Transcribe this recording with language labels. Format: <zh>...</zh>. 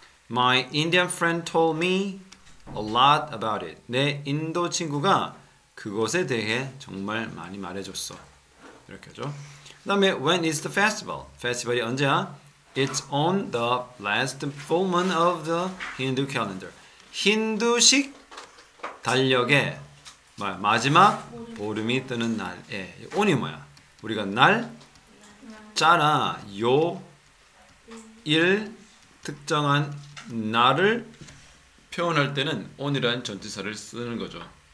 <en>My Indian friend told me a lot about it.</en> <ko>내 인도 친구가 그것에 대해 정말 많이 말해줬어. 이렇게 하죠. 그 다음에</ko> <en>When is the festival?</en> <ko>Festival이 언제야?</ko> <en>It's on the last full moon of the Hindu calendar.</en> <ko>힌두식 달력에 마지막 보름이 뜨는 날에 온이 뭐야? 우리가 날 짜라 요 일 특정한 날을 표현할 때는 온이라는 전치사를 쓰는 거죠.</ko>